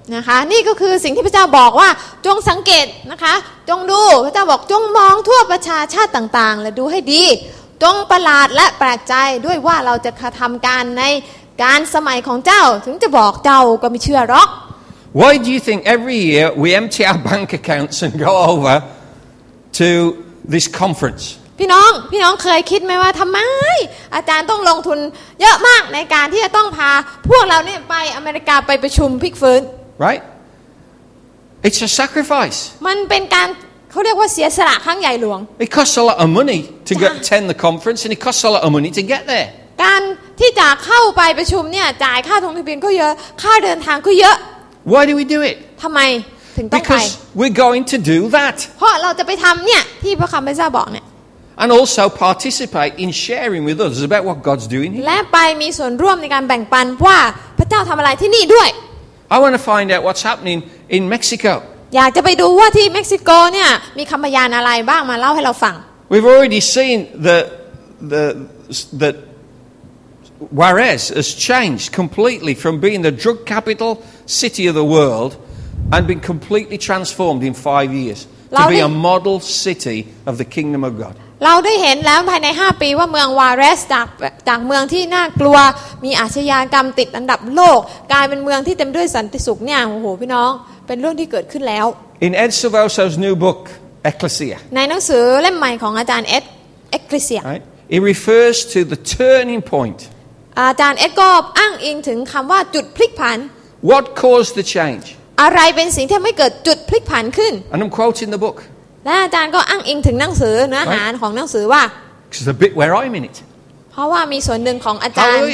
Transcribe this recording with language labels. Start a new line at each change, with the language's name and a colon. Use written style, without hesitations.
Thai: นะคะนี่ก็คือสิ่งที่พระเจ้าบอกว่าจงสังเกตนะคะจงดูพระเจ้าบอกจงมองทั่วประชาชาติต่างๆและดูให้ดีจงประหลาดและแปลกใจด้วยว่าเราจะทําการในการสมัยของเจ้าถึงจะบอกเจ้าก็ไม่เชื่อหรอก
English: Why do you think every year we empty our bank accounts and go over to this conference
Thai: พี่น้องเคยคิดไหมว่าทำไมอาจารย์ต้องลงทุนเยอะมากในการที่จะต้องพาพวกเราเนี่ยไปอเมริกาไปประชุมพลิกฟื้น
English: Right It's a sacrifice
Thai: มันเป็นการเขาเรียกว่าเสียสละครั้งใหญ่หลวง
English: It costs a lot of money to get attend the conference and it costs a lot of money to get there
Thai: การที่จะเข้าไปประชุมเนี่ยจ่ายค่าทงทะเบียนก็เยอะค่าเดินทางก็เยอะ
English: Why do we do it
Thai: ทำไมถึงต้องไป
English: Because we're going to do that
Thai: เพราะเราจะไปทำเนี่ยที่พระคัมภีร์จะบอกเนี่ย
English: And also participate in sharing with others about what God's doing here.
Thai: และไปมีส่วนร่วมในการแบ่งปันว่าพระเจ้าทำอะไรที่นี่ด้วย
English: I want to find out what's happening in Mexico.
Thai: อยากจะไปดูว่าที่เม็กซิโกเนี่ยมีคำพยานอะไรบ้างมาเล่าให้เราฟัง
English: We've already seen that Juarez has changed completely from being the drug capital city of the world and been completely transformed in 5 years to be a model city of the kingdom of God.
Thai: เราได้เห็นแล้วภายใน5ปีว่าเมืองวาเรสจากเมืองที่น่ากลัวมีอาชญากรรมติดอันดับโลกกลายเป็นเมืองที่เต็มด้วยสันติสุขเนี่ยโอ้โหพี่น้องเป็นเรื่องที่เกิดขึ้นแล้ว
English: In Ed Silvoso's new book Ecclesia
Thai: ในหนังสือเล่มใหม่ของอาจารย์เอ็ด Ecclesia
English: Right It refers to the turning point
Thai: อาจารย์เอ็ดก็อ้างอิงถึงคำว่าจุดพลิกผัน
English: What caused the change
Thai: อะไรเป็นสิ่งที่ทำให้เกิดจุดพลิกผันขึ้น
English: And I'm quoting the book
Thai: และอาจารย์ก็อ้างอิงถึงหนังสือเนื้อหาของหนังสือว่า
English: It's a bit where I'm in it
Thai: เพราะว่ามีส่วนหนึ่งของอาจารย